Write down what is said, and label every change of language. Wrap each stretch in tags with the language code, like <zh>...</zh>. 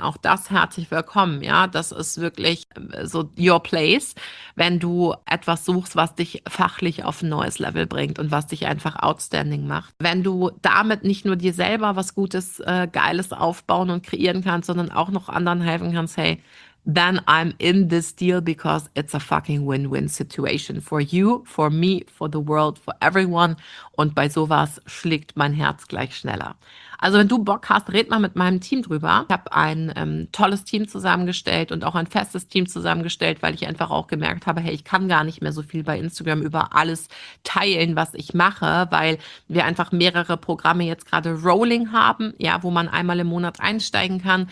<de>Auch das herzlich willkommen. Ja, das ist wirklich so</de> <en>your place,</en> <de>wenn du etwas suchst, was dich fachlich auf ein neues Level bringt und was dich einfach outstanding macht. Wenn du damit nicht nur dir selber was Gutes, Geiles aufbauen und kreieren kannst, sondern auch noch anderen helfen kannst, hey,</de> <en>then I'm in this deal because it's a fucking win-win situation for you, for me, for the world, for everyone.</en> <de>Und bei sowas schlägt mein Herz gleich schneller. Also wenn du Bock hast, red mal mit meinem Team drüber. Ich habe ein tolles Team zusammengestellt und auch ein festes Team zusammengestellt, weil ich einfach auch gemerkt habe, hey, ich kann gar nicht mehr so viel bei Instagram über alles teilen, was ich mache, weil wir einfach mehrere Programme jetzt gerade rolling haben, ja, wo man einmal im Monat einsteigen kann.</de>